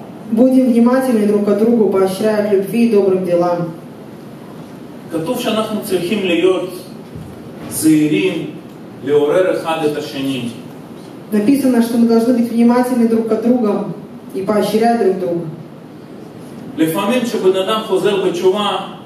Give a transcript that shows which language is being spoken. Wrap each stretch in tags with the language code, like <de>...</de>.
<ru>Будем внимательны друг к другу, поощряя к любви и добрым делам.</ru> <he>כתוב שאנחנו צריכים להיות זהירים לעורר אחד את השני.</he> <ru>Написано, что мы должны быть внимательны друг к другу и поощрять друг друга.</ru> <he>לפעמים, כשבן אדם חוזר בתשובה,</he>